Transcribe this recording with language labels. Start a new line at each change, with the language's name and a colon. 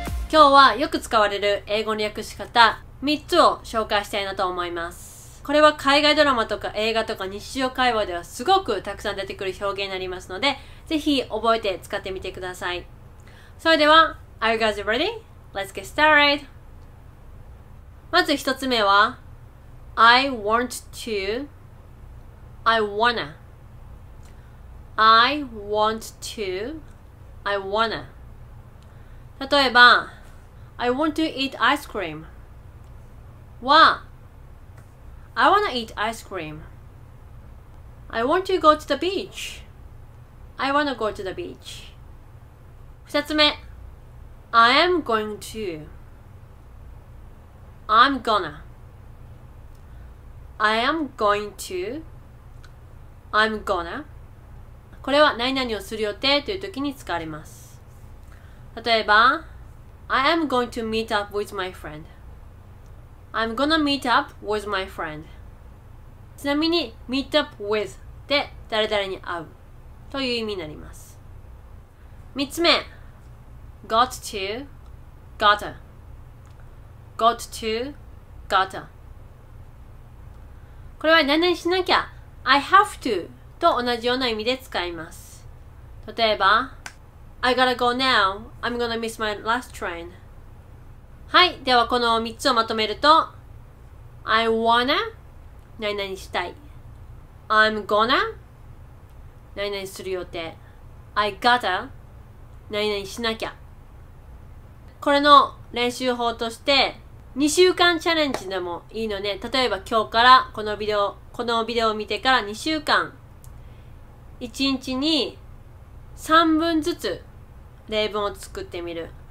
Japanese: 今日はよく使われる英語の訳し方3つを紹介したいなと思います。これは海外ドラマとか映画とか日常会話ではすごくたくさん出てくる表現になりますので、ぜひ覚えて使ってみてください。それでは
English: Are you guys ready? Let's get started!
Japanese: まず1つ目は
English: I want to I wanna I want to I wanna
Japanese: 例えば
English: I want to eat ice cream. I want to eat ice cream. I want to go to the beach. I want to go to the beach.
Japanese: 二つ目
English: I am going to. I'm gonna. I am going to. I'm gonna.
Japanese: これは何々をする予定という時に使われます。例えば
English: I am going to meet up with my friend. I'm gonna meet up with my friend.
Japanese: ちなみに
English: meet up with
Japanese: で誰々に会うという意味になります。 3つ目
English: got to, gotta. Got to, gotta.
Japanese: これは何々しなきゃ
English: I have to
Japanese: と同じような意味で使います。例えば
English: I gotta go now. I'm gonna miss my last train.
Japanese: はい、ではこの3つをまとめると
English: I wanna
Japanese: 何々したい
English: I'm gonna
Japanese: 何々する予定
English: I gotta
Japanese: 何々しなきゃ。これの練習法として2週間チャレンジでもいいので、例えば今日からこのビデオを見てから2週間1日に3分ずつ例文を作ってみる。